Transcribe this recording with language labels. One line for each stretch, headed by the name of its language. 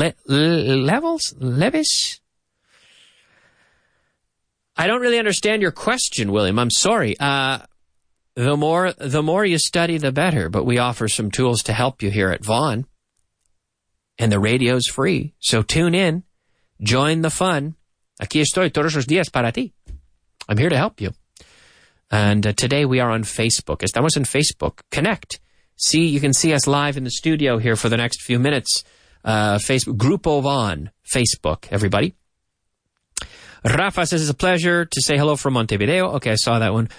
English: Levels? Levis? I don't really understand your question, William. I'm sorry. The more you study, the better. But we offer some tools to help you here at Vaughan. And the radio's free. So tune in. Join the fun.
Spanish: Aquí estoy todos los días para ti.
English: I'm here to help you. And today we are on Facebook.
Spanish: Estamos en Facebook.
English: Connect. See, you can see us live in the studio here for the next few minutes. Facebook, Grupo Vaughan, Facebook, everybody. Rafa says, it's a pleasure to say hello from Montevideo. Okay, I saw that one.